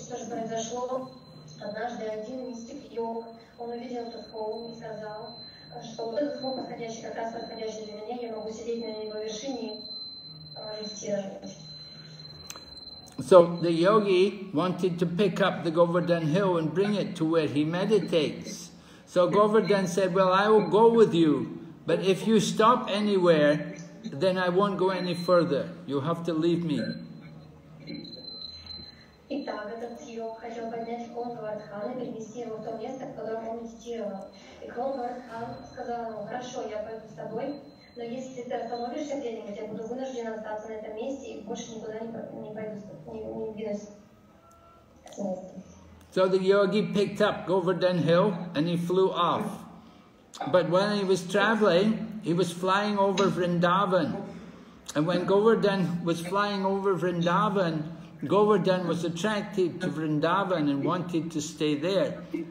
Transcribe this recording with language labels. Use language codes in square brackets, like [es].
[ru] Однажды один мистик йог, он увидел этот холм и сказал, что вот этот холм подходящий, как раз подходящий для меня, я могу сидеть на его вершине и медитировать. [en] So the yogi wanted to pick up the Govardhan hill and bring it to where he meditates. So Govardhan said, well, I will go with you, but if you stop anywhere, then I won't go any further. You have to leave me. [ru] Итак, этот йог хотел поднять холм Говардхана и перенести его в то место, в котором он медитировал. И холм Говардхан сказал ему, хорошо, я пойду с тобой, но если ты остановишься где-нибудь, я буду вынуждена остаться на этом месте и больше никуда не двинусь с места. [en] So the yogi picked up Govardhan hill and he flew off. But when he was traveling, he was flying over Vrindavan. And when Govardhan was flying over Vrindavan, Govardhan was attracted to Vrindavan and wanted to stay there.